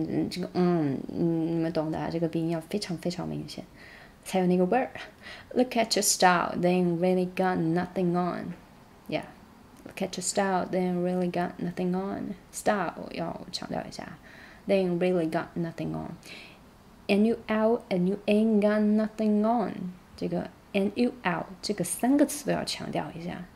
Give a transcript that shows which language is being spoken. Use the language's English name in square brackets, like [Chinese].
[Chinese] 这个你们懂的、这个鼻音要非常非常明显才有那个味儿。 [English] Look at your style, they ain't really got nothing on. Yeah. Look at your style, they ain't really got nothing on. [Chinese] Style 要强调一下。 [English] They ain't really got nothing on. And you out and you ain't got nothing on. [Chinese] 这个 and you out, 这个三个词都要强调一下。